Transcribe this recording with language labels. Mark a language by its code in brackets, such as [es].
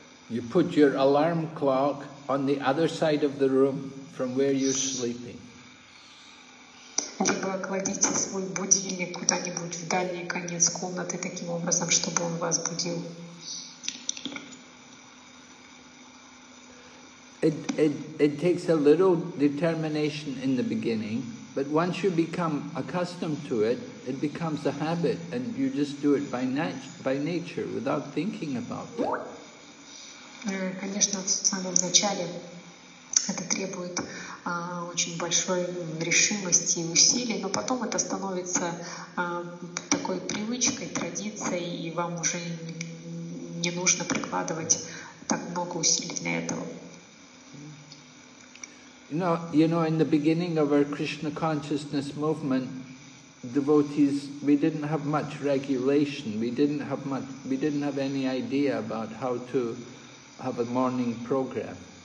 [en] You put your alarm clock on the other side of the room from where you're sleeping. [ru] Либо кладите свой будильник куда-нибудь в дальний конец комнаты таким образом, чтобы он вас будил. [en] It takes a little determination in the beginning, but once you become accustomed to it, it becomes a habit, and you just do it by nature, without thinking about it. [ru] Конечно, в самом начале это требует очень большой решимости и усилий, но потом это становится такой привычкой, традицией, и вам уже не нужно прикладывать так много усилий для этого. [en] In the beginning of our Krishna consciousness movement, devotees, we didn't have much regulation, we didn't have any idea about how to have a morning program.